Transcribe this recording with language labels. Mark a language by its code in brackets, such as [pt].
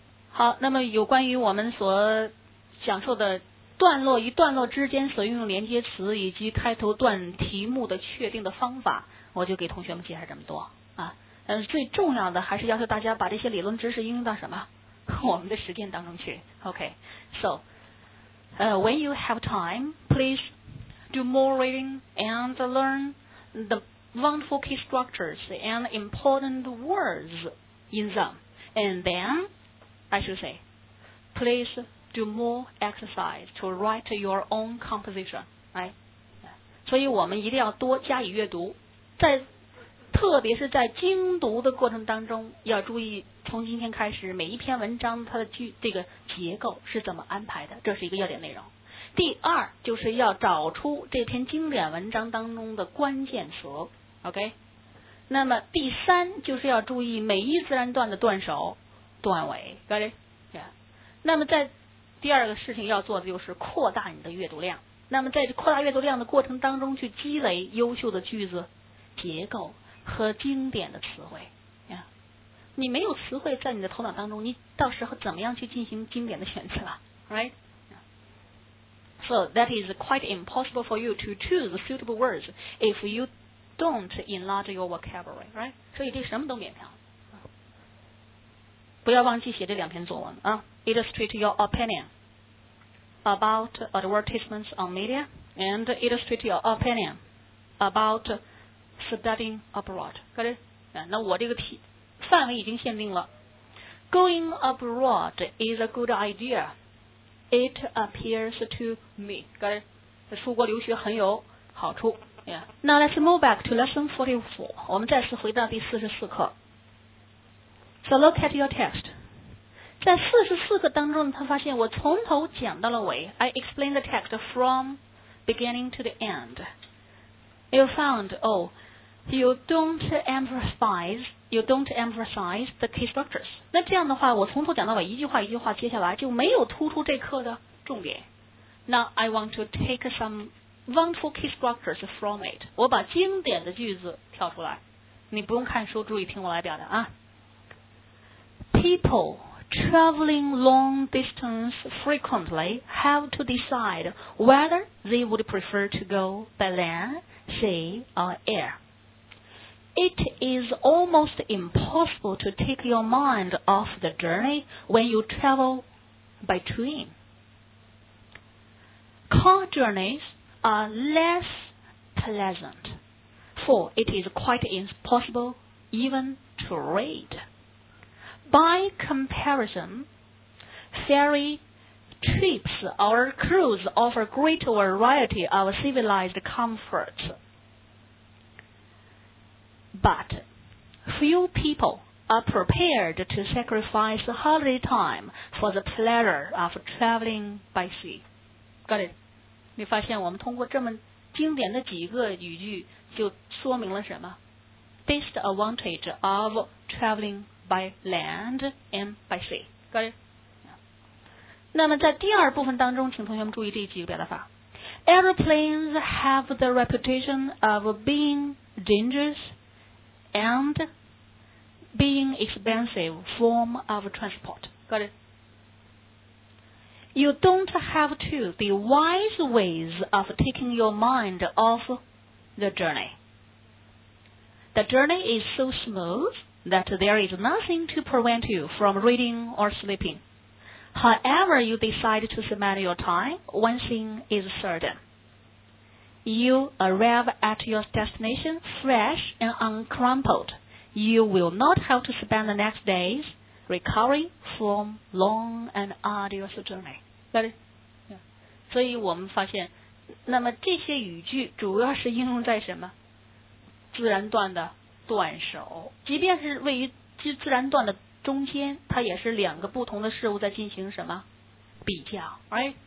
[zh] 好，那么有关于我们所讲述的段落与段落之间所用的连接词以及开头段题目的确定的方法，我就给同学们介绍这么多啊。但是最重要的还是要求大家把这些理论知识应用到什么我们的实践当中去。 [en] OK, so, when you have time, please do more reading and learn the wonderful key structures and important words in them. And then, I should say, please do more exercise to write your own composition. Right? [zh] 所以我们一定要多加以阅读，在特别是在精读的过程当中要注意从今天开始每一篇文章它的这个结构是怎么安排的，这是一个要点内容。第二就是要找出这篇经典文章当中的关键词 OK。那么第三就是要注意每一自然段的段首段尾 [en] Got it? Yeah. [zh] 那么在第二个事情要做的就是扩大你的阅读量，那么在扩大阅读量的过程当中去积累优秀的句子结构和经典的词汇、yeah. 你没有词汇在你的头脑当中，你到时候怎么样去进行经典的选择 right? [en] So that is quite impossible for you to choose suitable words if you don't enlarge your vocabulary right? [zh] 所以这什么都免票，不要忘记写这两篇作文啊。 [en] Illustrate your opinion about advertisements on media and illustrate your opinion aboutstudying abroad, got it? [zh] 那我这个题范围已经限定了。 [en] Going abroad is a good idea. It appears to me, got it? [zh] 出国留学很有好处。 [en] Yeah. Now let's move back to lesson 44. [zh] 我们再次回到第44课。 [en] So look at your text. [zh] 在44课当中，他发现我从头讲到了尾。 [en] I explain the text from beginning to the end. You found, oh,You don't emphasize the key structures. [zh] 那这样的话我从头讲到尾一句话一句话接下来就没有突出这课的重点。 [en] Now I want to take some wonderful key structures from it. [zh] 我把经典的句子跳出来。你不用看书注意听我来表达啊。 [en] People traveling long distance frequently have to decide whether they would prefer to go by land, sea, or air. It is almost impossible to take your mind off the journey when you travel by train. Car journeys are less pleasant, for it is quite impossible even to read. By comparison, ferry trips or cruise offer greater variety of civilized comforts. But few people are prepared to sacrifice holiday time for the pleasure of traveling by sea. Got it? [zh] 你发现我们通过这么经典的几个语句就说明了什么？ [en] Disadvantage of traveling by land and by sea. Got it? [zh] 那么在第二部分当中请同学们注意这几个表达法。 [en] Airplanes have the reputation of being dangerousand being expensive form of transport. Got it? You don't have to be wise ways of taking your mind off the journey. The journey is so smooth that there is nothing to prevent you from reading or sleeping. However you decide to spend your time, one thing is certain. You arrive at your destination fresh and uncrumpled. You will not have to spend the next days recovering from long and arduous journey. Got it? Yeah. [zh] 所以我们发现，那么这些语句主要是应用在什么？自然段的段首，即便是位于自然段的中间，它也是两个不同的事物在进行什么比较 ？Right?